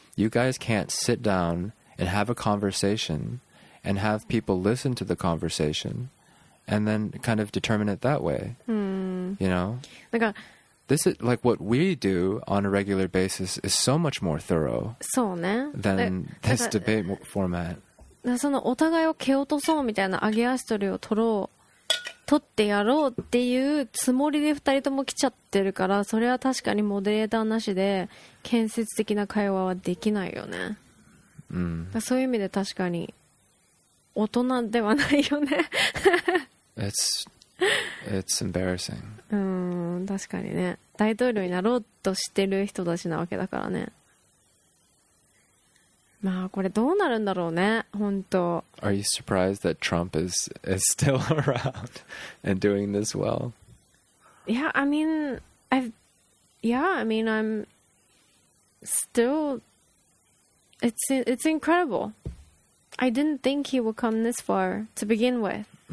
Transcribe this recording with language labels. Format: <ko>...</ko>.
<en>You guys can't sit down and have a conversation and have people listen to the conversation and then kind of determine it that way. You know? Like a... This is like what we do on a regular basis is so much more thorough.</en> <ja>そうね。</ja> <en>than this debate format.</en> <ja>そのお互いを蹴落とそうみたいな上げ足取りを取ろう撮ってやろうっていうつもりで2人とも来ちゃってるから、それは確かにモデレーターなしで建設的な会話はできないよね。うん、だそういう意味で確かに大人ではないよね。</ja> <en>It's embarrassing.</en> <ja>確かにね、大統領になろうとしてる人たちなわけだからね。まあこれどうなるんだろうね、本当。</ja> <en>Are you surprised that Trump is still around and doing this well? Yeah, I mean, I'm still. It's incredible. I didn't think he would come this far to begin with.</en>